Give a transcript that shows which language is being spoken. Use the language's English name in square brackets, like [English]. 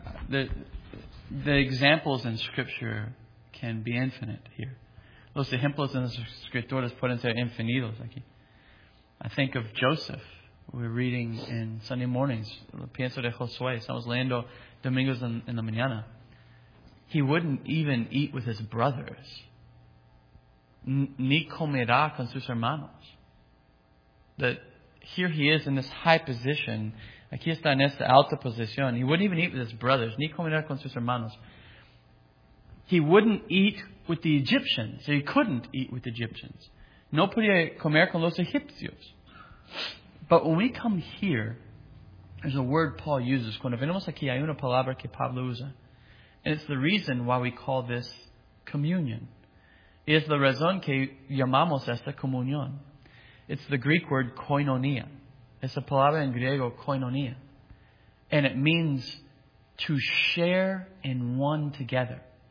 [English] The examples in Scripture can be infinite here. [Spanish] Los ejemplos en las Escrituras pueden ser infinitos aquí. [English] I think of Joseph. We're reading in Sunday mornings. [Spanish] Pienso de Josué. Estamos leyendo domingos en la mañana. [English] He wouldn't even eat with his brothers. [Spanish] Ni comerá con sus hermanos. [English] That here he is in this high position. [Spanish] Aquí está en esta alta posición. [English] He wouldn't even eat with his brothers. [Spanish] Ni comerá con sus hermanos. [English] He wouldn't eat with the Egyptians. He couldn't eat with the Egyptians. [Spanish] No podía comer con los egipcios. [English] But when we come here, There's a word Paul uses. [Spanish] Cuando vemos aquí, hay una palabra que Pablo usa. [English] And it's the reason why we call this communion. [Spanish] Es la razón que llamamos esta comunión. [English] It's the Greek word koinonia. [Spanish] Es la palabra en griego koinonia. [English] And it means to share in one together.